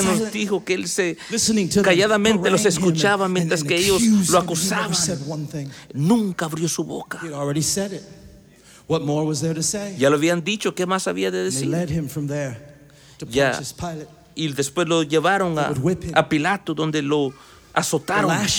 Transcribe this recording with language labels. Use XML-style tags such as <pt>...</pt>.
<es>nos dijo que él se calladamente los escuchaba mientras que ellos lo acusaban. Nunca abrió su boca.</es> <en>He already said it. What more was there to say?</en> <es>Ya lo habían dicho, ¿qué más había de decir?</es> <en>They led him from there to Pontius Pilate.</en> <es>Y después lo llevaron a Pilato, donde lo azotaron.</es>